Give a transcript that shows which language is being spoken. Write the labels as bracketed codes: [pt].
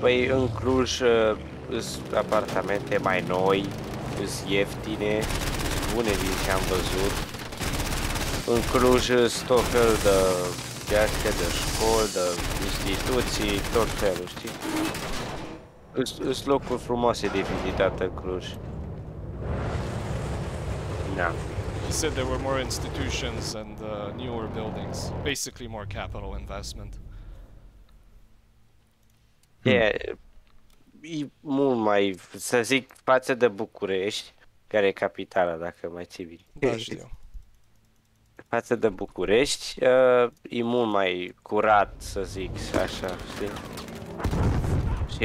[ro] But in Cluj, apartamente mai noi, is ieftine, bune din ce am văzut. In Cluj, tot fel de viață, de școli, de instituții, tot felul, știi? Sunt locuri frumoase de vizitat în Cluj. Da. [en] He said there were more institutions and newer buildings. Basically more capital investment. [ro] Yeah, e mult mai, să zic, față de București, care e capitala, dacă mai ții bine. Da, știu. Față de București, e mult mai curat, să zic, așa, știi?